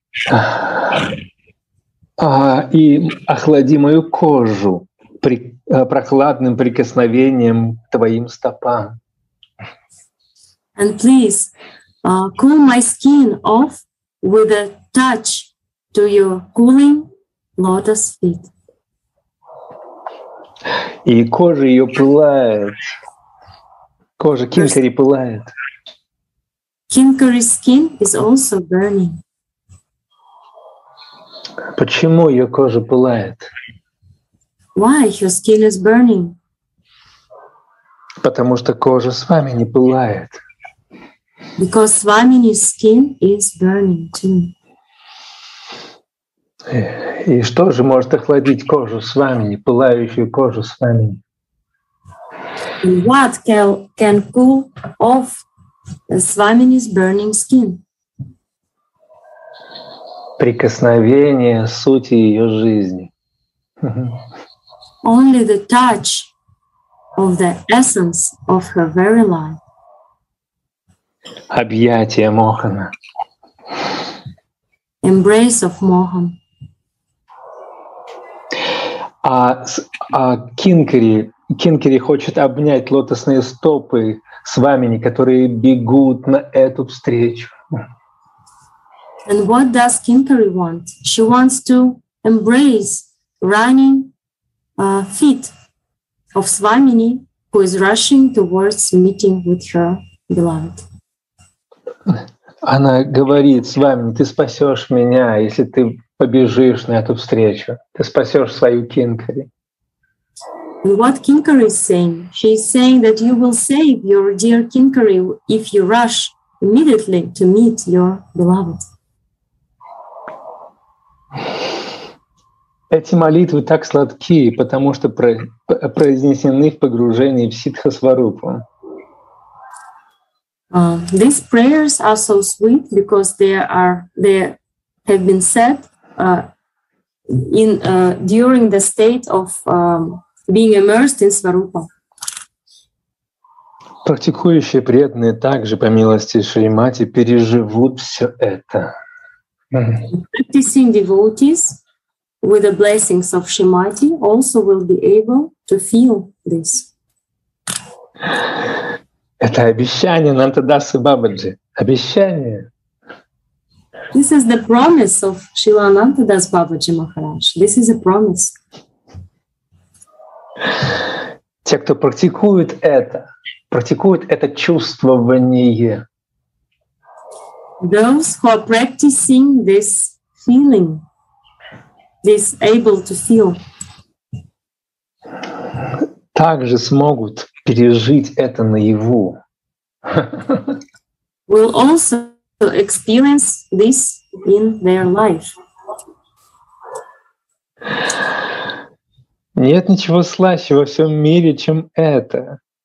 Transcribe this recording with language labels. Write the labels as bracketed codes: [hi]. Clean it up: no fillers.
[ru] И охлади мою кожу прохладным прикосновением к твоим стопам. [en] And please cool my skin off with a touch to your cooling lotus feet. [ru] И кожа ее пылает. Кожа Кинкари пылает. [en] Kinkari's skin is also burning. [ru] Почему ее кожа пылает? [en] Why her skin is burning? [ru] Потому что кожа с вами не пылает. [en] Because Swamini's skin is burning too. [ru] И что же может охладить кожу с вами, не пылающую кожу с вами? [en] What can cool off Swamini's burning skin? [ru] Прикосновение сути ее жизни. [en] Only the touch of the essence of her very life. [ru] Объятие Мохана. [en] Embrace of Mohan. [ru] А Кинкари хочет обнять лотосные стопы Свамини, которые бегут на эту встречу. [en] And what does Kinkari want? She wants to embrace running feet of Swamini, who is rushing towards meeting with her beloved. [ru] Она говорит Свамини: "Ты спасешь меня, если ты побежишь на эту встречу. Ты спасешь свою Кинкари." [en] And what Kinkari is saying? She is saying that you will save your dear Kinkari if you rush immediately to meet your beloved. [ru] Эти молитвы так сладки, потому что произнесены в погружении в ситха-сварупу. [en] These prayers are so sweet because they have been said during the state of being immersed in Svarupa. [ru] Практикующие преданные также, по милости Шримати, переживут все это. [en] Practicing devotees with the blessings of Shrimati also will be able to feel this. [ru] Это обещание Нандадасы Бабаджи. Обещание. [en] This is the promise of Шрила Нандадас Бабаджи Махарадж. This is a promise. [ru] Те, кто практикуют это чувствование. [en] Those who are practicing this feeling, this able to feel, [ru] также смогут пережить это наяву. [en] Will also to experience this in their life. [ru] Нет ничего слаще во всем мире, чем это.